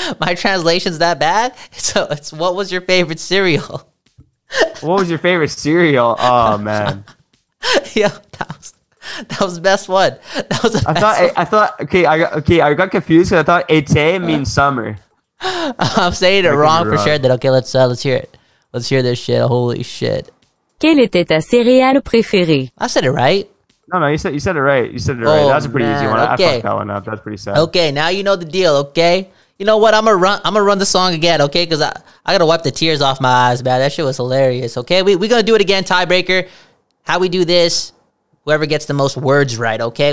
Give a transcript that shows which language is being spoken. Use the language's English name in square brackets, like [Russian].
[English] My translation's that bad? So it's what was your favorite cereal? What was your favorite cereal? Oh, man. Yeah, that was the best one. That was the best I got confused because I thought ete means summer. I'm saying it wrong for sure. Then okay, let's hear it. Let's hear this shit. Holy shit. [French] Quelle était ta céréale préférée? [English] I said it right. No, you said it right. You said it right. That's a pretty easy one. Okay. I fucked that one up. That's pretty sad. Okay, now you know the deal, okay? You know what? I'm gonna run the song again, okay? Because I gotta wipe the tears off my eyes, man. That shit was hilarious, okay? We're gonna do it again, tiebreaker. How we do this, whoever gets the most words right, okay?